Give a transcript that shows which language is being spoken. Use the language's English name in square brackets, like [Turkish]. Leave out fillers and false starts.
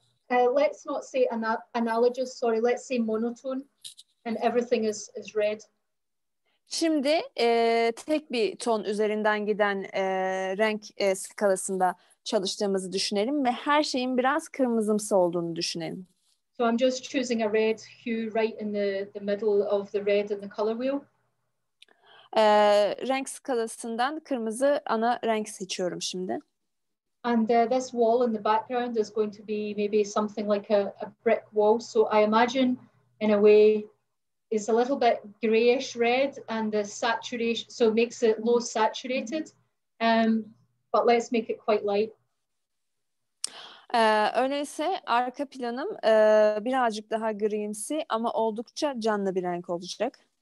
[English] let's not say analogous, sorry, let's say monotone and everything is red. [Turkish] Şimdi tek bir ton üzerinden giden renk skalasında çalıştığımızı düşünelim ve her şeyin biraz kırmızımsı olduğunu düşünelim. [English] So I'm just choosing a red hue right in the middle of the red and the color wheel. [Turkish] Renk skalasından kırmızı ana renk seçiyorum şimdi. [English] And this wall in the background is going to be maybe something like a brick wall. So I imagine in a way it's a little bit grayish red and the saturation, so it makes it low saturated, but let's make it quite light. [Turkish] Öyleyse arka planım birazcık daha grimsi ama oldukça canlı bir renk olacak.